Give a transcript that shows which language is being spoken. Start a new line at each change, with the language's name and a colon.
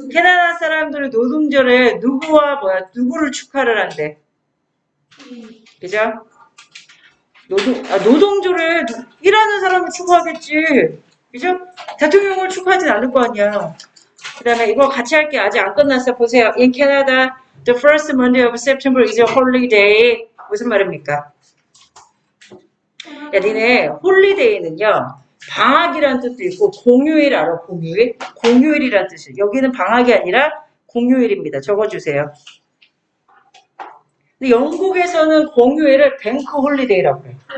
Korean: 캐나다 사람들은 노동절에 누구와 뭐야, 누구를 축하를 한대? 그죠? 노동절에 일하는 사람을 축하하겠지. 그죠? 대통령을 축하하진 않을 거 아니야. 그 다음에 이거 같이 할게. 아직 안 끝났어. 보세요.
English: In Canada, the first Monday of September is a holiday.
Korean: 무슨 말입니까? 야, 니네, 홀리데이는요, 방학이란 뜻도 있고, 공휴일 알아, 공휴일? 공휴일이란 뜻이. 여기는 방학이 아니라 공휴일입니다. 적어주세요. 근데 영국에서는 공휴일을 뱅크 홀리데이라고 해요.